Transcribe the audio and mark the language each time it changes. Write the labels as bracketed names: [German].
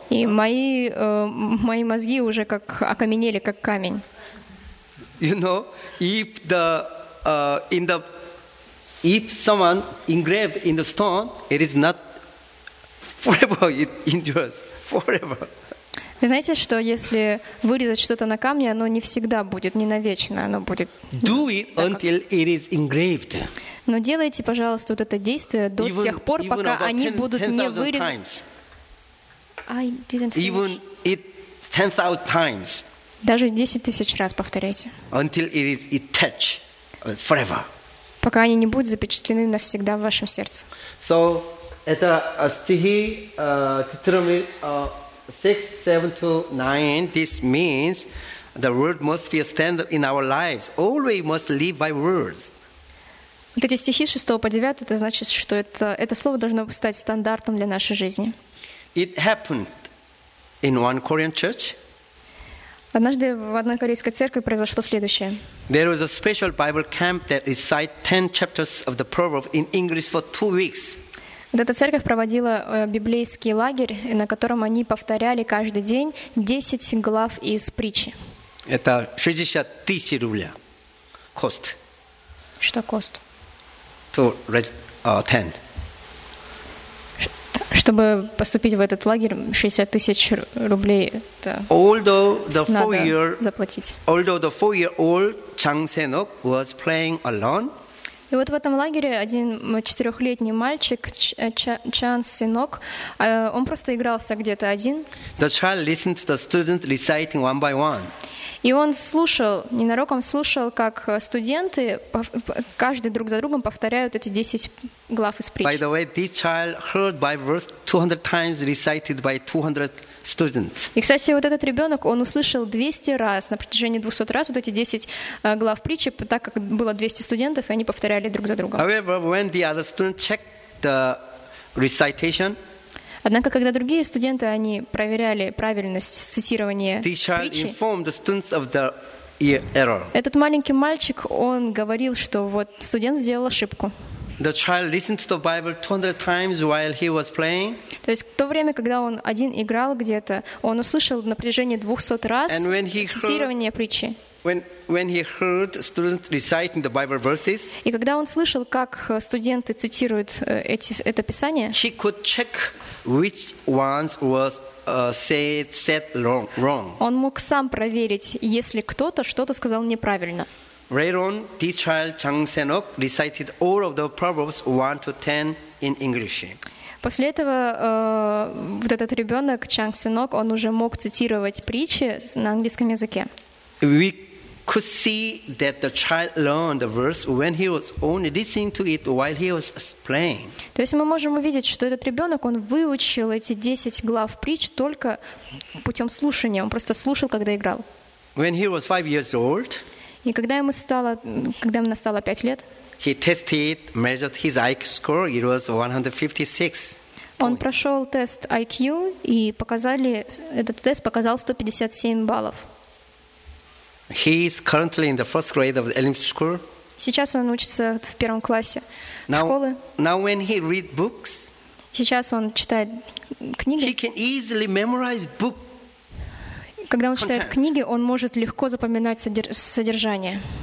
[Russian] И мои мозги уже как окаменели, как камень. [English] You know, if someone engraved in the stone, it is not forever it endures. Forever. [Russian] Вы знаете, что если вырезать что-то на камне, оно не всегда будет, не навечно, оно будет. [English] Do it until it is engraved. [Russian] Но делайте, пожалуйста, вот это действие до тех пор, пока они будут не вырезаны. [English] I didn't finish. Even it 10,000 times. [Russian] Даже 10,000 раз повторяйте. [English] Until it is attached forever. [Russian] Пока они не будут запечатлены навсегда в вашем сердце. So это стихи Deuteronomy 6:7-9. [English] This means the word must be a standard in our lives. Always must live by words. [Russian] Вот эти стихи с 6 по 9, это значит, что это слово должно стать стандартом для нашей жизни. [English] It happened in one Korean church. [Russian] Однажды в одной корейской церкви произошло следующее. [English] There was a special Bible camp that recited 10 chapters of the Proverbs in English for 2 weeks. [Russian] Вот эта церковь проводила библейский лагерь, на котором они повторяли каждый день 10 глав из притчи. Это 60 тысяч рублей. Cost. Что cost? [English] To attend. [Russian] Чтобы поступить в этот лагерь, 60 тысяч рублей это [English] although the [Russian] надо [English] four-year, [Russian] заплатить. [English] Although the four-year-old Chang Sen-ok was playing alone. [Russian] И вот в этом лагере один четырехлетний мальчик Чан Сенок, он просто игрался где-то один. [English] The child listened to the student reciting one by one. [Russian] И он слушал, ненароком слушал, как студенты каждый друг за другом повторяют эти 10 глав из притч. [English] By the way, this child heard Bible 200 times recited by 200 students. [Russian] И, кстати, вот этот ребенок, он услышал 200 раз, на протяжении 200 раз, вот эти 10 глав притчи, так как было 200 студентов, и они повторяли друг за другом. [English] However, when the other student checked the recitation, [Russian] однако, когда другие студенты, они проверяли правильность цитирования притчи, этот маленький мальчик, он говорил, что вот студент сделал ошибку. [English] The child listened to the Bible 200 times while he was playing. [Russian] То есть в то время, когда он один играл где-то, он услышал на протяжении 200 раз цитирование притчи. [English] When he heard students reciting the Bible verses, [Russian] и когда он слышал, как студенты цитируют это писание, [English] he could check which ones was said wrong. [Russian] Он мог сам проверить, если кто-то что-то сказал неправильно. [English] Later on, this child Chang Sen-ok recited all of the Proverbs 1-10 in English. [Russian] После этого вот этот ребенок Чан Сен-ок, он уже мог цитировать притчи на английском языке. [English] We could see that the child learned the verse when he was only listening to it while he was playing. [Russian] То есть мы можем увидеть, что этот ребенок, он выучил эти 10 глав притч только путем слушания. Он просто слушал, когда играл. [English] When he was 5 years old, [Russian] и когда ему настало 5 лет, [English] he tested, measured his IQ score, it was 156. [Russian] Он прошел тест IQ, и этот тест показал 157 баллов. [English] He is currently in the first grade of the elementary school. [Russian] Сейчас он учится в первом классе школы. [English] Now when he read books, [Russian] сейчас он читает книги. [English] He can easily memorize book. [Russian] Когда он читает книги, он может легко запоминать содержание.